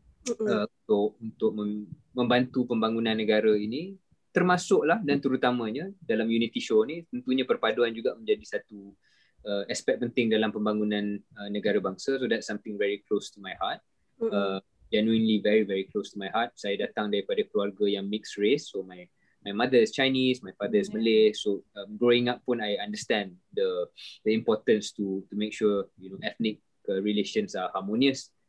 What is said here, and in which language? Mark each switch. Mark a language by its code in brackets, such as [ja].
[ms] Untuk membantu pembangunan negara ini, termasuklah dan terutamanya dalam Unity Show ni, tentunya perpaduan juga menjadi satu aspek penting dalam pembangunan negara bangsa. [en] So that's something very close to my heart. Genuinely very, very close to my heart. [ms] Saya datang daripada keluarga yang mixed race. [en] So my mother is Chinese, my father is Malay. So growing up pun, I understand the importance to make sure, you know, ethnic relations are harmonious.